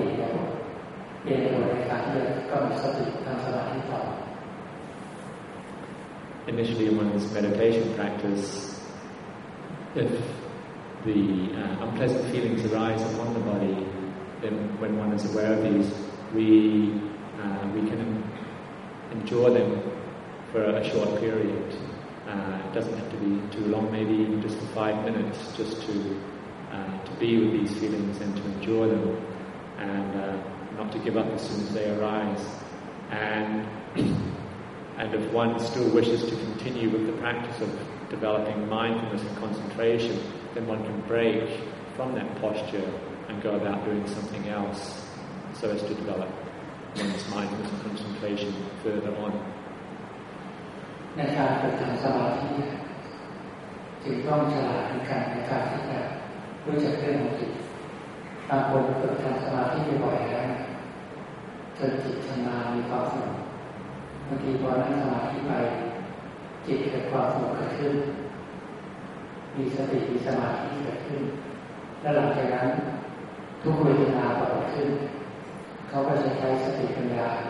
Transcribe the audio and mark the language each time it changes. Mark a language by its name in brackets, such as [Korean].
[Thai] ถ้าเราทนได้ก็ทนถ้าทนไม่ได้เราก็เปลี่ยนเดี๋ยวในการเดินก็มีสติทำสมาธิต่อ [English] initially in one's meditation practice, if the unpleasant feelings arise upon the body, then when one is aware of these, we can endure them for a short period. It doesn't have to be too long, maybe even just for 5 minutes, just to be with these feelings and to endure them, and not to give up as soon as they arise. And if one still wishes to continue with the practice of developing mindfulness and concentration, then one can break from that posture and go about doing something else so as to develop one's mindfulness and concentration further on. [Thai] ในการฝึกทำสมาธิจึงต้องฉลาดในการในการที่จะรู้จักเรื่องของจิตบางคนฝึกทำสมาธิบ่อยแล้วจนจิตชำนาญมีความสงบบางทีพอนั่งสมาธิไปจิตเกิดความสงบขึ้นมีสติมีสมาธิเกิดขึ้นและหลังจากนั้นทุกเวทนาเกิดขึ้นเขาก็จะใช้สติปัญญา